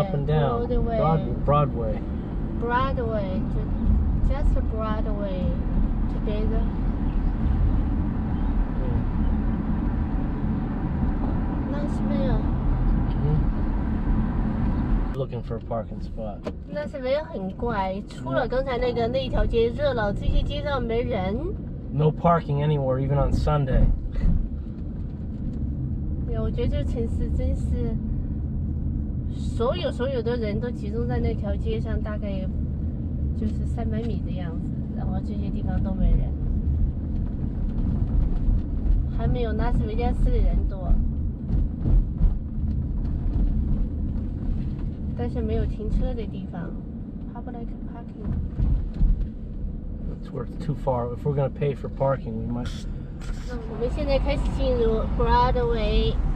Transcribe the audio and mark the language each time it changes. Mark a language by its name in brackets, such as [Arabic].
[English] up and down. Broadway. Broadway, just Broadway, together. Nice meal. looking for a parking spot. [Chinese] 那是没有很怪，除了刚才那个那一条街热闹，这些街上没人。 [English] No parking anywhere, even on Sunday. [Chinese] 对，我觉得这城市真是，所有的人都集中在那条街上，大概就是300米的样子，然后这些地方都没人，还没有拉斯维加斯的人多。但是没有停车的地方 ， [English] public parking. It's worth too far. If we're gonna pay for parking, we might. [Chinese] 我们现在开始进入 Broadway.